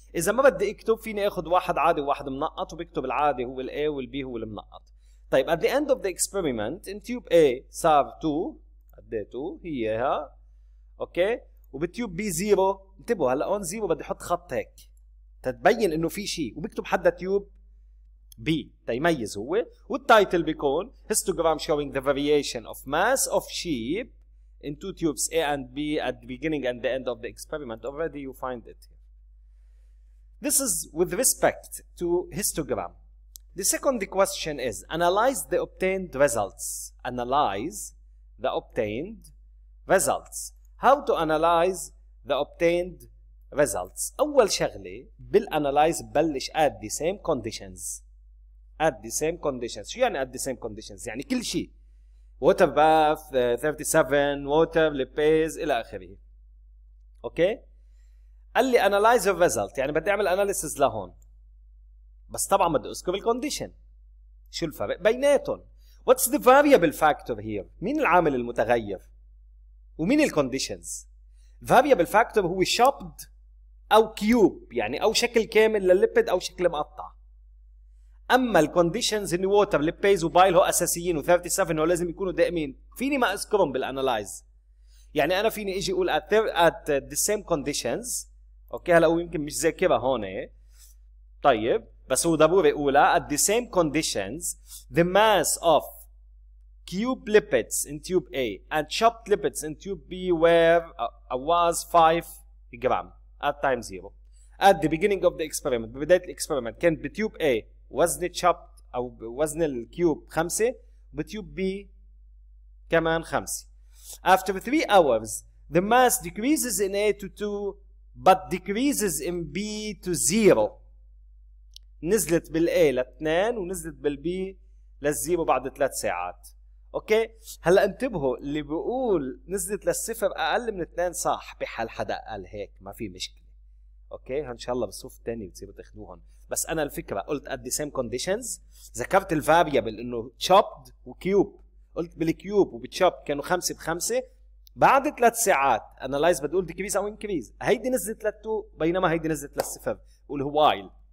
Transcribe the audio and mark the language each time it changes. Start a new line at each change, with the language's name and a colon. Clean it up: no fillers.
Arabic: اذا ما بدي اكتب فيني اخذ واحد عادي وواحد منقط، وبكتب العادي هو الA والB هو المنقط. طيب
English: at the end of the experiment in tube A
Arabic: صار 2، قديه 2 هي ها اوكي، وبتيوب B 0. انتبهوا هلا هون 0 بدي احط خط هيك تتبين انه في شيء، وبكتب حد تيوب B تيميز هو، والتايتل بيكون
English: histogram showing the variation of mass of sheep in two tubes A and B at the beginning and the end of the experiment. Already you find it here. This is with respect to histogram. The second question is analyze the obtained results. Analyze the obtained results. How to analyze the obtained results?
Arabic: أول شغلة بالanalyze بلش
English: at the same conditions. At the same conditions.
Arabic: شو يعني
English: at the same conditions؟
Arabic: يعني كل شيء.
English: Water bath 37, water, lipids إلى آخره. Okay؟
Arabic: قال لي
English: analyze the result.
Arabic: يعني بدي أعمل analysis لهون. بس طبعا بدي اسكب الكونديشن. شو الفرق بيناتهم؟
English: What's the variable factor here?
Arabic: مين العامل المتغير ومين الكونديشنز؟ فاريبل فاكتور هو شابد او كيوب، يعني او شكل كامل للليبيد او شكل مقطع. اما الكونديشنز ان ووتر ليبيز وبايل هو اساسيين و37 هو لازم يكونوا دائمين، فيني ما اذكرهم بالانالايز. يعني انا فيني اجي اقول
English: At the same conditions.
Arabic: اوكي هلا هو يمكن مش ذاكره هون، طيب بس هو ضروري أولى.
English: At the same conditions the mass of cube lipids in tube A and chopped lipids in tube B were was 5 gram at time 0. At the beginning of the experiment
Arabic: ببداية الاكسبرمنت كان بتube A وزن chopped أو وزن الكيوب 5، بتube B كمان 5.
English: After 3 hours the mass decreases in A to 2 but decreases in B to 0.
Arabic: نزلت بالA لاثنين ونزلت بالB للزيرو بعد ثلاث ساعات. اوكي هلا انتبهوا، اللي بيقول نزلت للصفر اقل من اثنين صح بحال حدا قال هيك، ما في مشكله. اوكي ان شاء الله بالصف الثاني بتصيروا تاخذوهم، بس انا الفكره قلت
English: at the same conditions،
Arabic: ذكرت الفاريبل انه chopped وكيوب، قلت بالكيوب وبتشوب كانوا خمسه بخمسه، بعد ثلاث ساعات انالايز بتقول decrease او increase، هيدي نزلت للتو بينما هيدي نزلت للصفر، قول while.